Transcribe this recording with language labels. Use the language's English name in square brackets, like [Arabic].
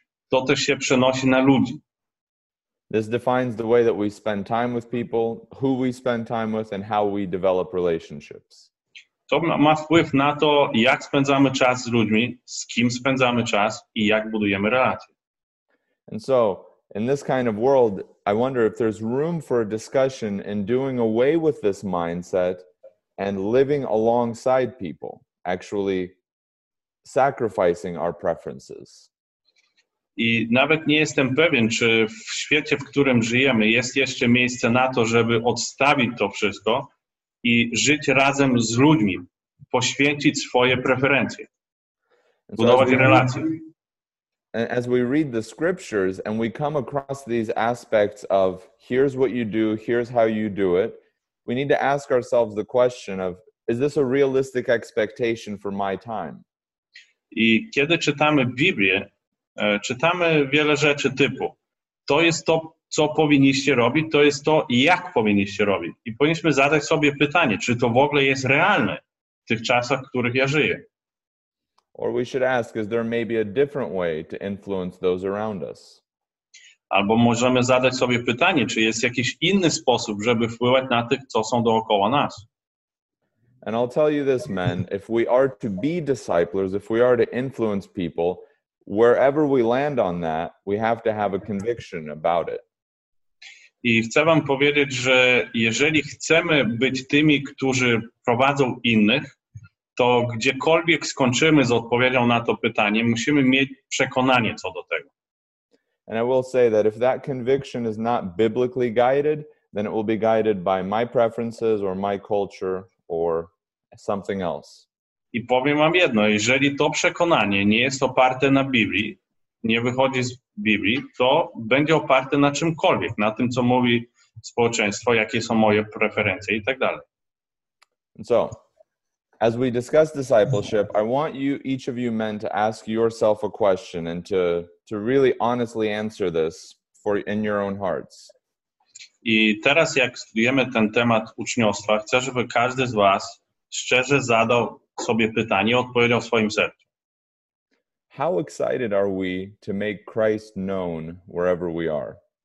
[Polish] To też się przenosi na ludzi. [English] This defines the way that we spend time with people, who we spend time with, and how we develop relationships. [Polish] To ma wpływ na to, jak spędzamy czas z ludźmi, z kim spędzamy czas i jak budujemy relacje. [English] And so, in this kind of world, I wonder if there's room for a discussion in doing away with this mindset and living alongside people, actually sacrificing our preferences. [Polish] I nawet nie jestem pewien, czy w świecie, w którym żyjemy, jest jeszcze miejsce na to, żeby odstawić to wszystko i żyć razem z ludźmi, poświęcić swoje preferencje, budować relacje. [English] As we read the scriptures and we come across these aspects of here's what you do, here's how you do it, we need to ask ourselves the question of, is this a realistic expectation for my time? [Polish] I kiedy czytamy Biblię, czytamy wiele rzeczy typu, to jest to, co powinniście robić, to jest to, jak powinniście robić. I powinniśmy zadać sobie pytanie, czy to w ogóle jest realne w tych czasach, w których ja żyję. [English] Or we should ask, is there maybe a different way to influence those around us? [Polish] Albo możemy zadać sobie pytanie, czy jest jakiś inny sposób, żeby wpływać na tych, co są dookoła nas. [English] And I'll tell you this, men, if we are to be disciples, if we are to influence people, wherever we land on that, we have to have a conviction about it. [Polish] I chcę wam powiedzieć, że jeżeli chcemy być tymi, którzy prowadzą innych, to gdziekolwiek skończymy z odpowiedzią na to pytanie, musimy mieć przekonanie co do tego. [English] And I will say that if that conviction is not biblically guided, then it will be guided by my preferences or my culture or something else. [Polish] I powiem wam jedno, jeżeli to przekonanie nie jest oparte na Biblii, nie wychodzi z Biblii, to będzie oparte na czymkolwiek, na tym, co mówi społeczeństwo, jakie są moje preferencje i tak dalej. [English] So, as we discuss discipleship, I want you, each of you men, to ask yourself a question and to really honestly answer this for in your own hearts. [Polish] I teraz, jak studiujemy ten temat uczniostwa, chcę, żeby każdy z was szczerze zadał sobie pytanie i odpowiedział w swoim sercu. [English] How excited are we to make Christ known wherever we are?